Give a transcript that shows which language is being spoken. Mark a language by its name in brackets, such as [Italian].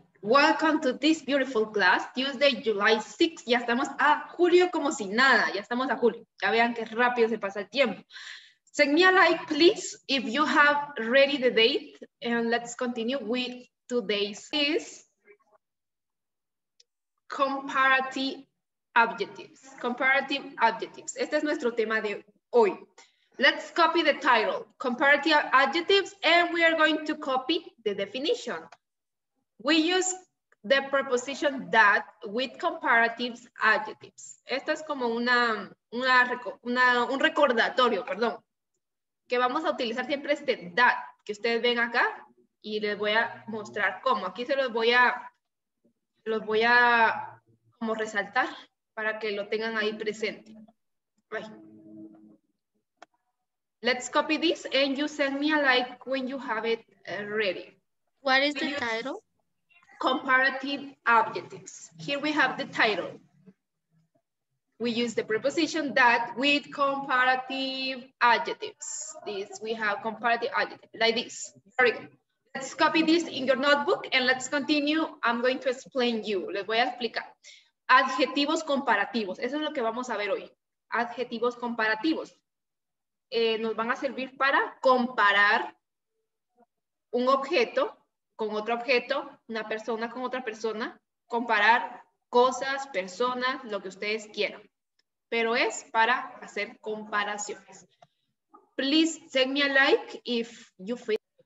[English] Welcome to this beautiful class, Tuesday, July 6th. [Spanish] Ya estamos a julio como si nada, ya estamos a julio. Ya vean qué rápido se pasa el tiempo. [English] Send me a like, please, if you have ready the date, and let's continue with today's is comparative adjectives. Comparative adjectives. [Spanish] Este es nuestro tema de hoy. [English] Let's copy the title, comparative adjectives, and we are going to copy the definition. We use the preposition that with comparative adjectives. [Spanish] Esto es como un recordatorio, perdón, que vamos a utilizar siempre este that, que ustedes ven acá, y les voy a mostrar cómo. Aquí se los voy a como resaltar para que lo tengan ahí presente. Ay. [English] Let's copy this and you send me a like when you have it ready. What is the title? Comparative adjectives. Here we have the title. We use the preposition that with comparative adjectives. This we have comparative adjectives like this. Very good. Let's copy this in your notebook and let's continue. I'm going to explain you. [Spanish] Les voy a explicar. Adjetivos comparativos. Eso es lo que vamos a ver hoy. Adjetivos comparativos. Nos van a servir para comparar un objeto con otro objeto, una persona con otra persona, comparar cosas, personas, lo que ustedes quieran. Pero es para hacer comparaciones. [English] Please send me a like if you feel.